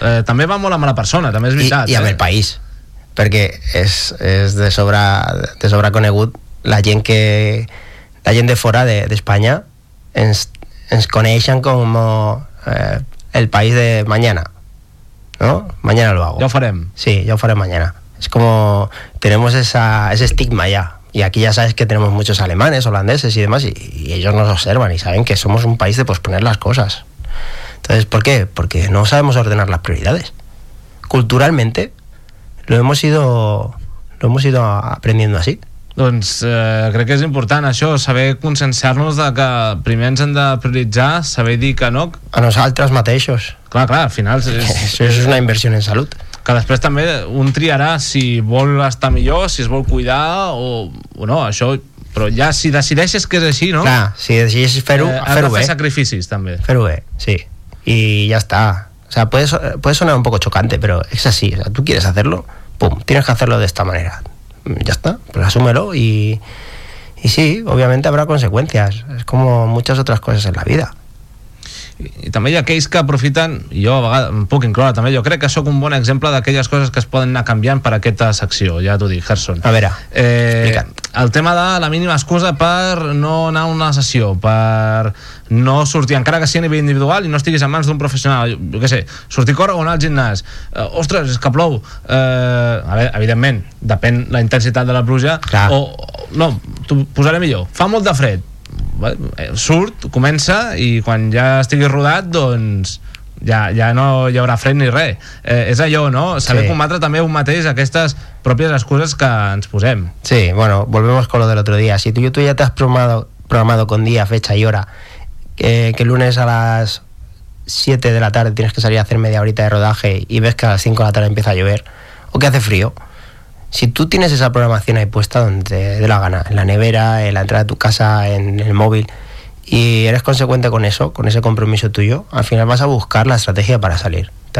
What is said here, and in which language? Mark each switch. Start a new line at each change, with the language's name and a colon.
Catalan: També va molt amb la persona, també és veritat. I amb el país, perquè és de sobra conegut la gent de fora d'Espanya ens coneixen com el país de
Spanish: mañana, ¿no? Mañana lo hago. Ya lo farem. Sí, ya lo farem mañana. Es como tenemos ese estigma ya. Y aquí ya sabes que tenemos muchos alemanes, holandeses y demás, y ellos nos observan y saben que somos un país de posponer las cosas. Entonces, ¿por qué? Porque no sabemos ordenar las prioridades. Culturalmente lo hemos ido aprendiendo así.
Catalan: Doncs crec que és important això, saber conscienciar-nos de que primer ens hem de prioritzar, saber dir que no. A nosaltres mateixos. Clar, al final... Això és una inversió en salut. Que després també un triarà si vol estar millor, si es vol cuidar o no, això... Però ja si decideixes que és així, no? Clar, si decideixes fer-ho, fer-ho bé. Has de fer sacrificis, també. Fer-ho bé, sí. I ja està.
Spanish: O sea, puede sonar un poco chocante, pero es así. O sea, tú quieres hacerlo, pum, tienes que hacerlo de esta manera. Ya está, pues asúmelo y sí, obviamente habrá consecuencias. Es como muchas otras cosas en la vida.
Catalan: I també hi ha aquells que aprofiten, jo a vegades em puc incloure també, jo crec que sóc un bon exemple d'aquelles coses que es poden anar canviant per aquesta secció, ja t'ho dic, Gerson. A veure, explica't. El tema de la mínima excusa per no anar a una sessió, per no sortir, encara que sigui a nivell individual i no estiguis en mans d'un professional, jo què sé, sortir a córrer o anar al gimnàs, ostres, és que plou, a veure, evidentment, depèn la intensitat de la pluja, clar. O no, t'ho posaré millor, fa molt de fred. Surt, comença i quan ja estiguis rodat, doncs ja no hi haurà fred ni res. És allò, no? Saber, sí, combatre també un mateix aquestes pròpies excuses que ens posem.
Spanish: Sí, bueno, volvemos con lo del otro día. Si tú ya te has programado con día, fecha y hora, que el lunes a las 7 de la tarde tienes que salir a hacer media horita de rodaje y ves que a las 5 de la tarde empieza a llover o que hace frío. Si tú tienes esa programación ahí puesta donde te dé la gana, en la nevera, en la entrada de tu casa, en el móvil, y eres consecuente con eso, con ese compromiso tuyo, al final vas a buscar la estrategia para salir.